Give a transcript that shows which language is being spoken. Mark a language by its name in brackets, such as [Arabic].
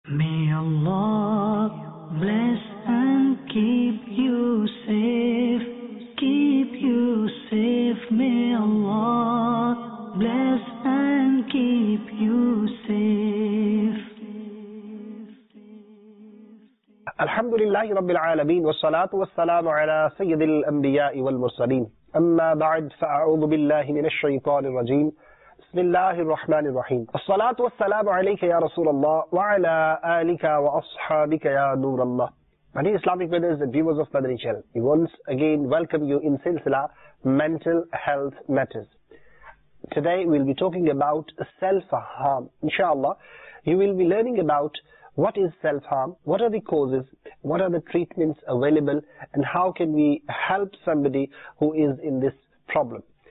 [English] May Allah bless and keep you safe. Keep you safe. May Allah bless and keep you safe. [Arabic] الحمد لله رب العالمين والصلاة والسلام على سيد الأنبياء والمرسلين أما بعد فأعوذ بالله من الشيطان الرجيم بسم الله الرحمن الرحيم الصلاة والسلام عليك يا رسول الله وعلى آلك وأصحابك يا نور الله [English] My dear Islamic brothers and viewers of Madani Channel, we once again welcome you in Silsila Mental Health Matters. Today we'll be talking about self-harm. Inshallah, you will be learning about What is self-harm? What are the causes? What are the treatments available? And how can we help somebody who is in this problem?